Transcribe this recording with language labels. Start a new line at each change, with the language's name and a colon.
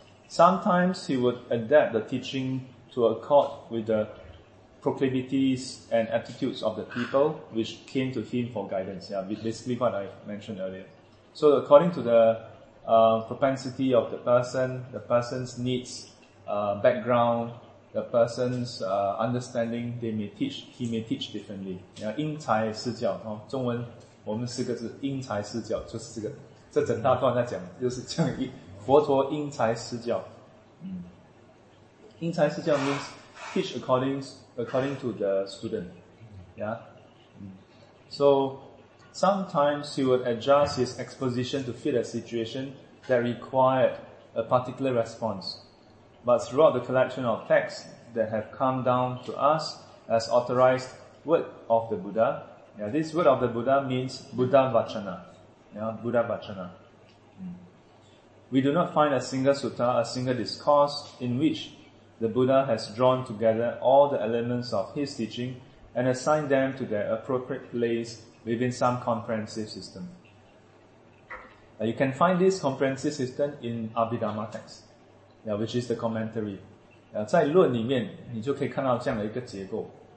English: Sometimes he would adapt the teaching to accord with the proclivities and attitudes of the people which came to him for guidance. Yeah, basically what I mentioned earlier. So according to the propensity of the person's needs, background, the person's understanding, he may teach differently.
Chinese: Yeah, 因材施教，中文我们四个字，因材施教就是这个，这整大段在讲，就是这样一佛陀因材施教。因材施教
English: means teach according to the student. Yeah. So sometimes he would adjust his exposition to fit a situation that required a particular response. But throughout the collection of texts that have come down to us as authorized word of the Buddha, yeah, this word of the Buddha means Buddha Vachana. Yeah, Buddha Vachana. We do not find a single sutta, a single discourse in which the Buddha has drawn together all the elements of his teaching and assigned them to their appropriate place within some comprehensive system. You can find this comprehensive system in Abhidhamma text, yeah, which is the commentary.
Chinese: 在论里面，你就可以看到这样的一个结构.